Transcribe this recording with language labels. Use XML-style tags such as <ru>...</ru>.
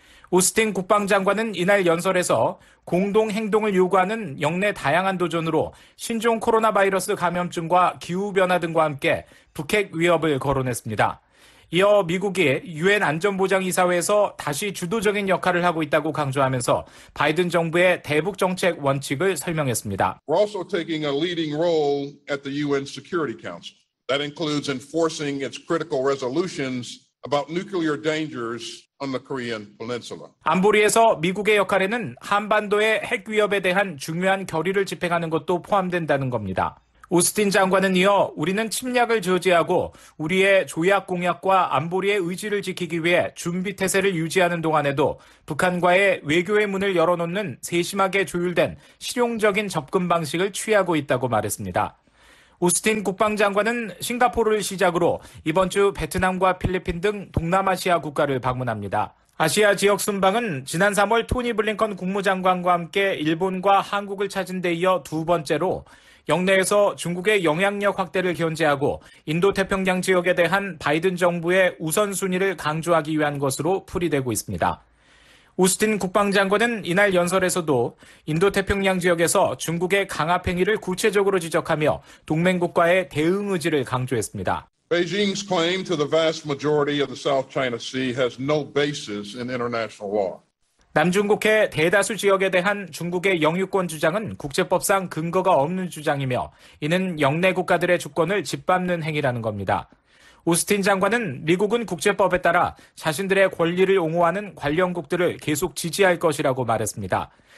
<ko>오스틴 국방장관은 이날 연설에서 공동행동을 요구하는 역내 다양한 도전으로 신종 코로나 바이러스 감염증과 기후변화 등과 함께 북핵 위협을 거론했습니다. 이어 미국이 유엔 안전보장이사회에서 다시 주도적인 역할을 하고 있다고 강조하면서 바이든 정부의 대북 정책 원칙을 설명했습니다.</ko> <en>We're also taking a leading role at the UN Security Council. That includes enforcing its critical resolutions about nuclear dangers on the Korean Peninsula.</en> <ko>안보리에서 미국의 역할에는 한반도의 핵 위협에 대한 중요한 결의를 집행하는 것도 포함된다는 겁니다. 오스틴 장관은 이어 우리는 침략을 저지하고 우리의 조약 공약과 안보리의 의지를 지키기 위해 준비태세를 유지하는 동안에도 북한과의 외교의 문을 열어놓는 세심하게 조율된 실용적인 접근 방식을 취하고 있다고 말했습니다. 오스틴 국방장관은 싱가포르를 시작으로 이번 주 베트남과 필리핀 등 동남아시아 국가를 방문합니다. 아시아 지역 순방은 지난 3월 토니 블링컨 국무장관과 함께 일본과 한국을 찾은 데 이어 두 번째로 역내에서 중국의 영향력 확대를 견제하고 인도태평양 지역에 대한 바이든 정부의 우선순위를 강조하기 위한 것으로 풀이되고 있습니다. 오스틴 국방장관은 이날 연설에서도 인도태평양 지역에서 중국의 강압 행위를 구체적으로 지적하며 동맹국과의 대응 의지를 강조했습니다.</ko> <en>Beijing's claim to the vast majority of the South China Sea has no basis in international law.</en> <ko>남중국해 대다수 지역에 대한 중국의 영유권 주장은 국제법상 근거가 없는 주장이며 이는 역내 국가들의 주권을 짓밟는 행위라는 겁니다. 오스틴 장관은 미국은 국제법에 따라 자신들의 권리를 옹호하는 관련국들을 계속 지지할 것이라고 말했습니다.</ko>